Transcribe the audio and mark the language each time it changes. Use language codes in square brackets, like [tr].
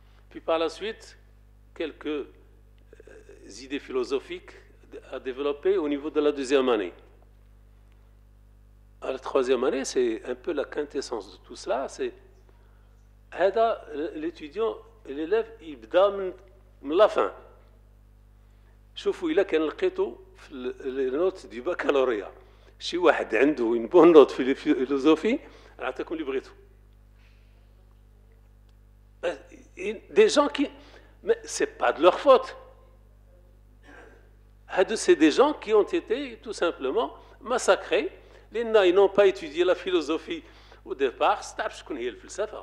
[fr] Puis par la suite, quelques idées philosophiques à développer au niveau de la deuxième année. À la troisième année, c'est un peu la quintessence de tout cela. C'est Hada, l'étudiant, l'élève, il donne la fin. [ar] شوفوا إلا كان لقيتو في النوت دي باكالوريا شي واحد عنده [fr] une bonne note [ar] في الفيلوزوفي أعطيكم اللي بغيتو [fr] Des gens qui... Mais ce n'est pas de leur faute. C'est des gens qui ont été tout simplement massacrés. Les Nains n'ont pas étudié la philosophie au départ. C'est pas ce qu'on a fait.